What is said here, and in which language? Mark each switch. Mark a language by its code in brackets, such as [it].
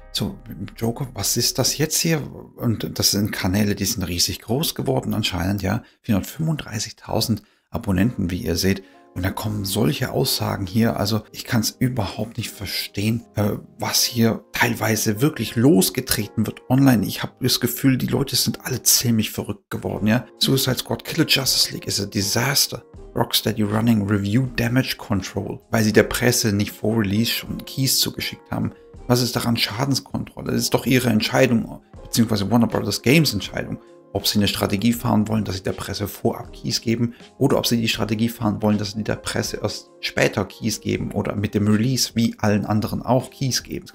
[de] So, Joker, was ist das jetzt hier? Und das sind Kanäle, die sind riesig groß geworden anscheinend, ja. 435.000 Abonnenten, wie ihr seht. Und da kommen solche Aussagen hier. Also ich kann es überhaupt nicht verstehen, was hier teilweise wirklich losgetreten wird online. Ich habe das Gefühl, die Leute sind alle ziemlich verrückt geworden, ja. [en] Suicide Squad Killer Justice League is a disaster. Rocksteady running review damage control, [de] weil sie der Presse nicht vor Release schon Keys zugeschickt haben. Was ist daran Schadenskontrolle? Das ist doch ihre Entscheidung, beziehungsweise Warner Bros. Games Entscheidung, ob sie eine Strategie fahren wollen, dass sie der Presse vorab Keys geben oder ob sie die Strategie fahren wollen, dass sie der Presse erst später Keys geben oder mit dem Release wie allen anderen auch Keys geben.